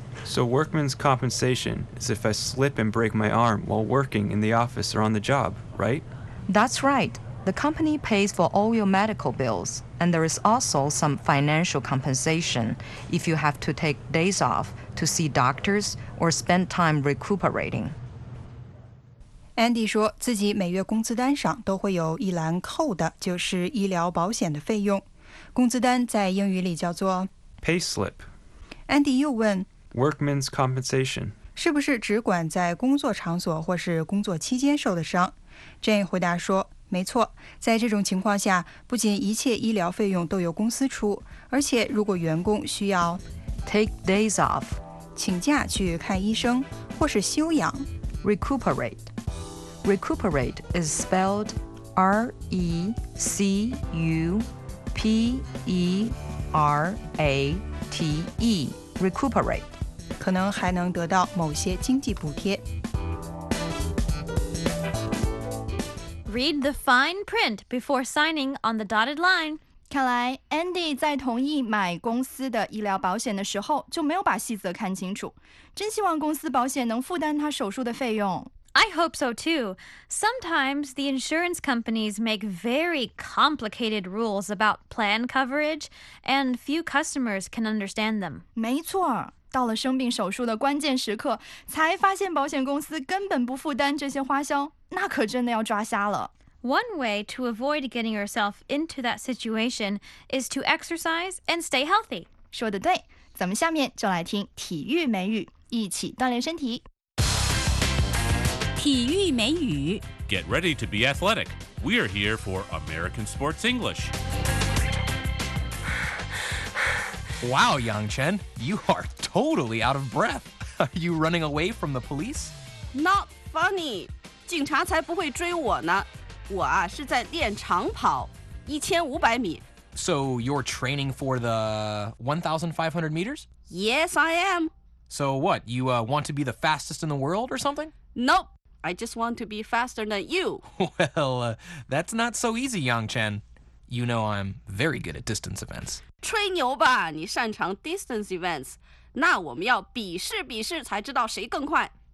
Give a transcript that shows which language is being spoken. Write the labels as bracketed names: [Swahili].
[English] So workman's compensation is if I slip and break my arm while working in the office or on the job, right? That's right. The company pays for all your medical bills, and there is also some financial compensation if you have to take days off to see doctors or spend time recuperating. [Chinese] Andy 说自己每月工资单上都会有一栏扣的，就是医疗保险的费用。工资单在英语里叫做 [English] payslip。 [Chinese] Andy 又问 [English] workman's compensation [Chinese] 是不是只管在工作场所或是工作期间受的伤？ Jane 回答说，没错，在这种情况下，不仅一切医疗费用都由公司出，而且如果员工需要 [English] take days off [Chinese] 请假去看医生或是休养 [English] recuperate。 Recuperate is spelled R-E-C-U-P-E-R-A-T-E. Recuperate. [Chinese] 可能还能得到某些经济补贴。 [English] Read the fine print before signing on the dotted line. [Chinese] 看来 Andy 在同意买公司的医疗保险的时候就没有把细则看清楚。真希望公司保险能负担他手术的费用。 [English] I hope so too. Sometimes the insurance companies make very complicated rules about plan coverage, and few customers can understand them. [Chinese] 没错，到了生病手术的关键时刻，才发现保险公司根本不负担这些花销，那可真的要抓瞎了。 [English] One way to avoid getting yourself into that situation is to exercise and stay healthy. [Chinese] 说得对，咱们下面就来听体育美语，一起锻炼身体。体育美语 [English] Get ready to be athletic. We are here for American Sports English. Wow, Yangchen, you are totally out of breath. Are you running away from the police? Not funny. [Chinese] 警察才不会追我呢。我啊是在练长跑，一千五百米。 [English] So you're training for the 1,500 meters? Yes, I am. So what, you want to be the fastest in the world or something? Nope. I just want to be faster than you. Well, that's not so easy, Yangchen. You know I'm very good at distance events. [Chinese] 吹牛吧，你擅长 [English] distance events. [Chinese] 那我们要比试比试才知道谁更快。